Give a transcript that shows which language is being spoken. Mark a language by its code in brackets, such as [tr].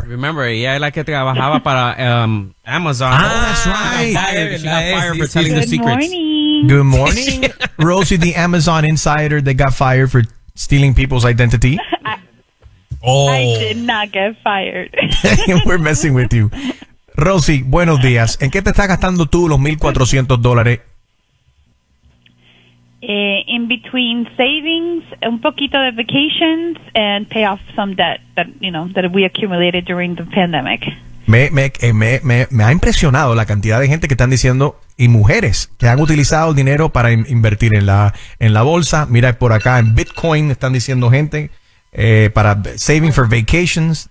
[en] Remember, [es] ella es la que trabajaba para Amazon. [en] Ah, that's right. She got fired for telling the secrets. Good morning. Rosie, the Amazon Insider that got fired for stealing people's identity. I did not get fired. We're messing with you. [es] Rosie, buenos días. ¿En qué te estás gastando tú los $1,400? [en] In between savings, [es] un poquito de [en] vacations, and pay off some debt that, you know, that we accumulated during the pandemic. [es] Me ha impresionado la cantidad de gente que están diciendo, y mujeres que han utilizado el dinero para invertir en la bolsa. Mira por acá en Bitcoin, están diciendo gente, para [en] saving for vacations.